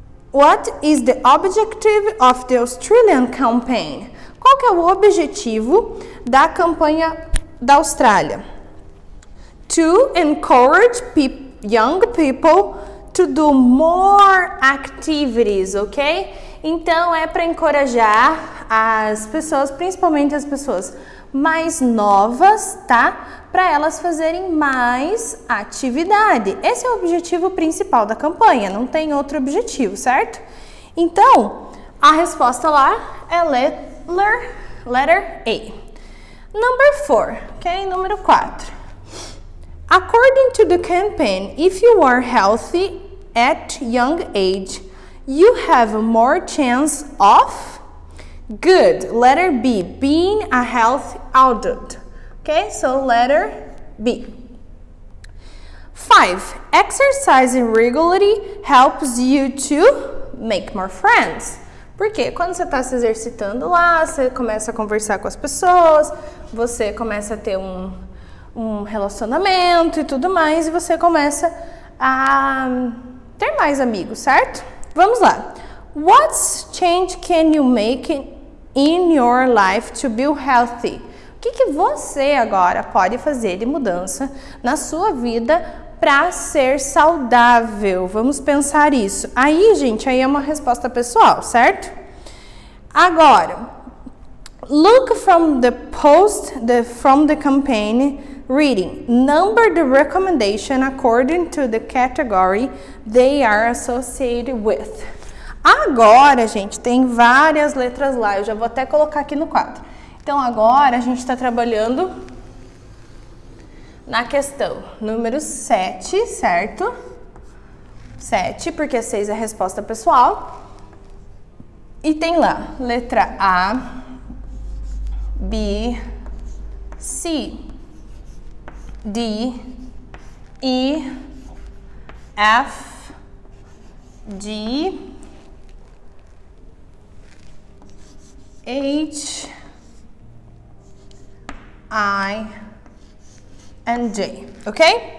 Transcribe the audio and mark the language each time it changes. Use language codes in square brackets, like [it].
[en] What is the objective of the Australian campaign? [pt] Qual que é o objetivo da campanha da Austrália? [en] To encourage young people to do more activities, ok? [pt] Então, é para encorajar as pessoas, principalmente as pessoas mais novas, tá? Para elas fazerem mais atividade. Esse é o objetivo principal da campanha, não tem outro objetivo, certo? Então, a resposta lá é [en] letter A. Number 4, ok? [pt] Número 4. [en] According to the campaign, if you are healthy at young age, you have more chance of good. Letter B, being a healthy adult. Okay, so letter B. 5. Exercising regularly helps you to make more friends. [pt] Porque quando você está se exercitando lá, você começa a conversar com as pessoas, você começa a ter um relacionamento e tudo mais, e você começa a ter mais amigos, certo? Vamos lá. [en] What change can you make in your life to be healthy? [pt] O que você agora pode fazer de mudança na sua vida para ser saudável? Vamos pensar isso. Aí, gente, aí é uma resposta pessoal, certo? Agora, [en] look from the post from the campaign reading. Number the recommendation according to the category they are associated with. [pt] Agora, gente, tem várias letras lá. Eu já vou até colocar aqui no quadro. Então, agora a gente está trabalhando na questão número 7, certo? 7, porque 6 é a resposta pessoal. E tem lá, letra A, B, C, D, E, F, G, H, I and J, ok?